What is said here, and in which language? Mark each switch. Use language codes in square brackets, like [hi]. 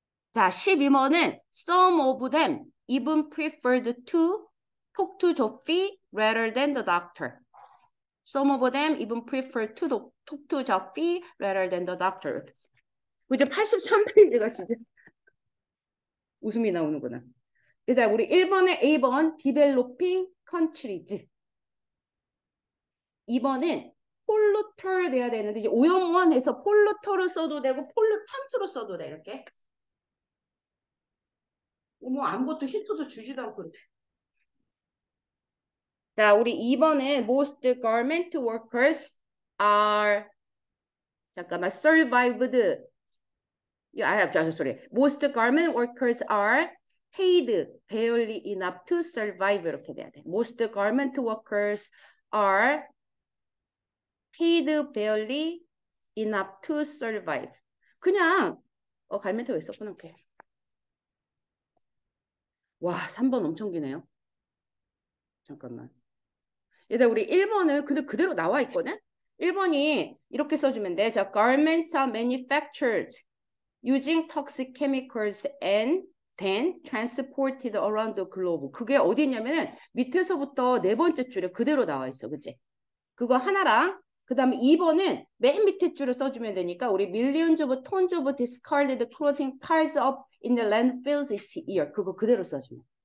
[ko] 자, 12번은 [en] Some of them even preferred to talk to Joffy rather than the doctor. Some of them even preferred to talk to Joffy rather than the doctor. [ko] 이제 83페이지가 진짜 웃음이 나오는구나. 일단 우리 1번에 A번 Developing countries. 2번은 폴루터를 내야 되는데 이제 오염원에서 폴루터를 써도 되고 폴루턴트로 써도 돼 이렇게. 뭐 아무것도 힌트도 주지도 않고 그렇대. 자, 우리 2번에 [en] most garment workers are [ko] 잠깐만 survived. 아, 죄송해요. [en] Most garment workers are paid barely enough to survive [ko] 이렇게 돼야 돼. [en] Most garment workers are paid barely enough to survive. [ko] 그냥, 갈멘트가 있었구나, 오케이. 와, 3번 엄청 기네요. 잠깐만. 얘들 우리 1번은 근데 그대로 나와 있거든? 1번이 이렇게 써주면 돼. [en] 자, garments are manufactured using toxic chemicals and then transported around the globe. [ko] 그게 어디 있냐면은 밑에서부터 네 번째 줄에 그대로 나와 있어, 그치? 그거 하나랑 그 다음에 2번은 맨 밑에 줄을 써주면 되니까 우리 [en] millions of tons of discarded clothing piles up in the landfills each year. [ko] 그거 그대로 써주면.